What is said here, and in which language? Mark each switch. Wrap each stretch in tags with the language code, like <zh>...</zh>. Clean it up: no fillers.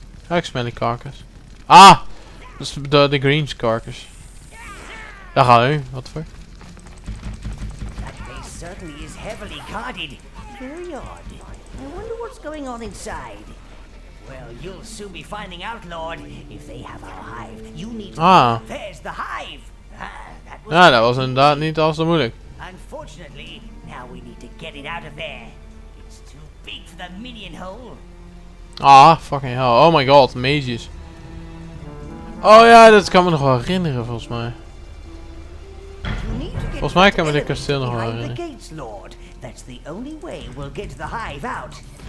<en>Like smelly carcass. Ah! The green's carcass.</en> <nl>Daar gaan we, wat voor?</nl> <en>That place certainly is heavily guarded. Very odd. I wonder what's going on inside. Well, you'll soon be finding out, Lord, if they have our hive. You need to there's the hive. Ah, that was</en> <nl>inderdaad niet al zo moeilijk.</nl> <en>Unfortunately, now we need to get it out of there. It's too big for the minion hole. Ah, fucking hell. Oh my god, mages.</en> <nl>Oh ja, dat kan me nog wel herinneren volgens mij. Volgens mij kan me dit kasteel nog wel herinneren.</nl> <en>Gates, Lord. That's the only way we'll get the hive out.</en>